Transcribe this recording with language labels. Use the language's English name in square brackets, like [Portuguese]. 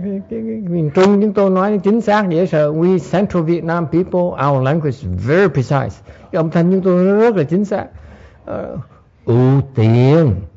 [Vietnamese] Cái miền Trung chúng tôi nói chính xác dễ sợ. [English] We Central Vietnam people, our language is very precise. [Vietnamese] Cái âm thanh chúng tôi rất là chính xác. Ưu tiên.